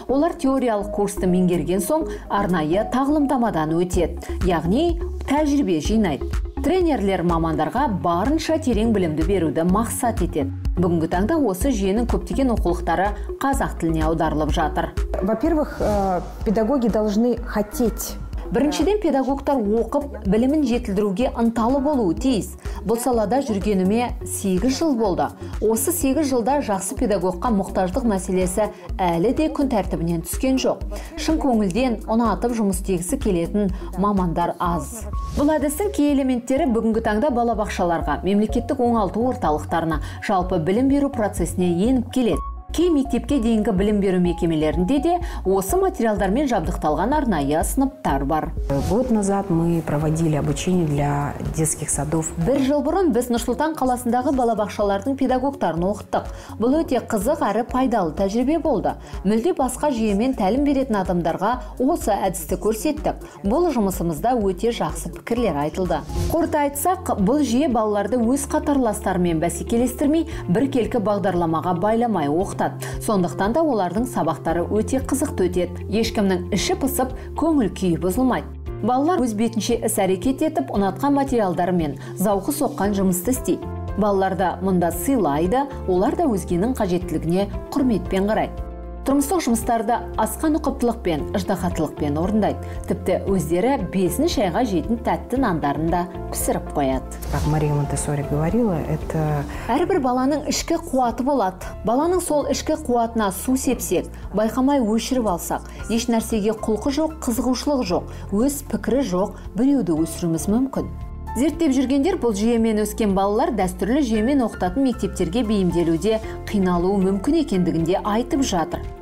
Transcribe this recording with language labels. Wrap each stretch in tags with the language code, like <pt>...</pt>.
<kk>Олар теориялық курсты меңгерген соң арнайы тағылымдамадан өтеді. Яғни тәжірибе жинайды. Тренерлер мамандарға барынша терең білімді беруді мақсат етеді. Бүгінгі таңда осы жүйенің көптеген оқулықтары қазақ тіліне аударылып жатыр.</kk> <ru>Во-первых, педагоги должны хотеть.</ru> <kk>Біріншіден педагогтар оқып, білімін жетілдіруге ынталы болуы тиіс. Бұл салада жүргеніме 8 жыл болды. Осы 8 жылда жақсы педагогқа мұқтаждық мәселесі әлі де күн тәртібінен түскен жоқ. Шын көңілден ұнатып жұмыс істегісі келетін мамандар аз. Бұл әдістің кей элементтері бүгінгі таңда балабақшаларға, мемлекеттік оңалту орталықтарына, жалпы білім беру процесіне еніп келеді. Кей мектепке дейінгі білім беру мекемелерінде де осы материалдармен жабдықталған арнайы сыныптар бар.</kk> <ru>Год назад мы проводили обучение для детских садов.</ru> <kk>Бір жыл бұрын біз Нұр-Сұлтан қаласындағы балабақшалардың педагогтарын оқыттық. Бұл өте қызық әрі пайдалы тәжірибе болды. Мүлде басқа жүйемен тәлім беретін адамдарға осы әдісті көрсеттік. Бұл жұмысымызда өте жақсы пікірлер айтылды. Қорыта айтсақ, бұл жүйе балаларды өз қатарластарымен бәсекелестірмей, біркелкі бағдарламаға байламай оқытады. Сондықтан да олардың сабақтары өте қызықты өтеді. Ешкімнің іші пысып, көңіл күйі бұзылмайды. Балалар өз бетінше іс-әрекет етіп, ұнатқан материалдарымен зауқы соққан жұмысты істейді. Балаларды мұнда сыйлайды, олар да өзгенің қажеттілігіне құрметпен қарайды. Тұрмыстық жұмыстарды асқан ұқыптылықпен, ұждақатылықпен орындайды. Тіпті өздері 5-ні шайға 7-ні тәтті нандарында пісіріп қояды.</kk> <ru>Как Мария Монтессори говорила, это...</ru> <kk>Әрбір баланың ішкі қуаты болады. Баланың сол ішкі қуатына су сепсек, байқамай өшіріп алсақ, еш нәрсеге құлқы жоқ, қызығушылық жоқ, өз пікірі жоқ, біреуді өсіруіміз мүмкін. Зерттеп жүргендер, бұл жүйемен өскен балалар дәстүрлі жүйемен оқытатын мектептерге бейімделуде қиналуы мүмкін екендігінде айтып жатыр.</kk>